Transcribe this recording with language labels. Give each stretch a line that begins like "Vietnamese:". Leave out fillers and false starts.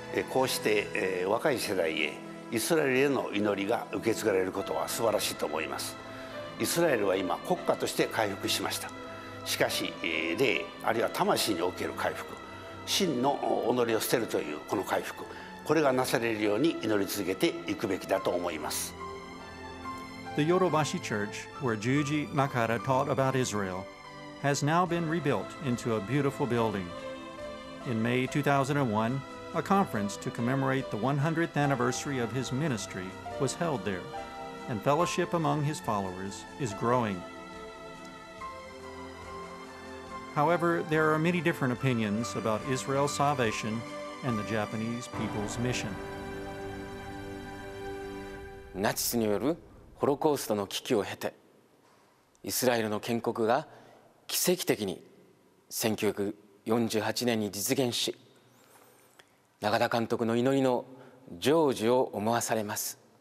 Japanese: こうして若い世代へイスラエルへの祈りが受け継がれることは素晴らしいと思います。イスラエルは今国家として回復しました。しかし霊あるいは魂における回復、真の己を捨てるというこの回復、これがなされるように祈り続けていくべきだと思います。
English: The Yorobashi Church, where Juji Nakara taught about Israel, has now been rebuilt into a beautiful building. In May 2001, a conference to commemorate the 100th anniversary of his ministry was held there, and fellowship among his followers is growing. However, there are many different opinions about Israel's salvation and the Japanese people's mission.
Japanese: ナチスによるホロコーストの危機を経て、イスラエルの建国が奇跡的に1948年に実現し、中田監督の祈りの成就を思わされます。